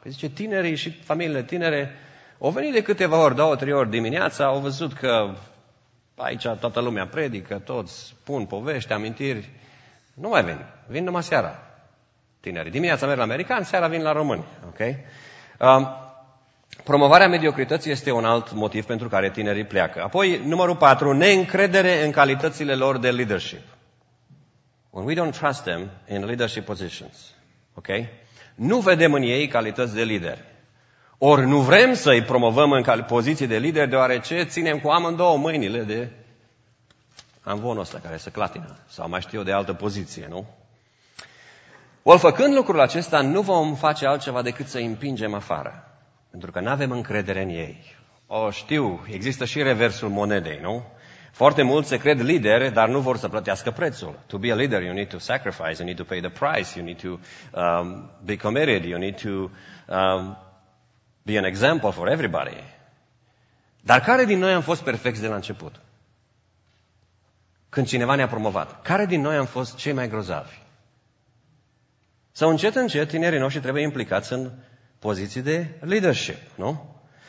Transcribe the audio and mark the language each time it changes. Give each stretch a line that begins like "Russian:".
Romanian: Păi zice, tinerii și familiile tinere au venit de câteva ori, două, trei ori dimineața, au văzut că aici toată lumea predică, toți pun povești, amintiri. Nu mai vin, vin numai seara. Tinerii. Dimineața merg la americani, seara vin la români. Okay? Promovarea mediocrității este un alt motiv pentru care tinerii pleacă. Apoi, numărul 4, neîncredere în calitățile lor de leadership.
English: When we don't trust them in leadership positions. Okay?
Romanian: Nu vedem în ei calități de lideri. Ori nu vrem să îi promovăm în poziții de lideri, deoarece ținem cu amândouă mâinile de amvonul ăsta care se clatină. Sau mai știu eu de altă poziție, nu? Ori făcând lucrul acesta, nu vom face altceva decât să îi împingem afară. Pentru că nu avem încredere în ei. O, știu, există și reversul monedei, nu? Foarte mulți se cred lideri, dar nu vor să plătească prețul.
English: To be a leader, you need to sacrifice, you need to pay the price, you need to be committed, you need to be an example for everybody.
Romanian: Dar care din noi am fost perfecți de la început? când cineva ne-a promovat, care din noi am fost cei mai grozavi? Sau încet, încet, tinerii noștri trebuie implicați în poziții de leadership, nu?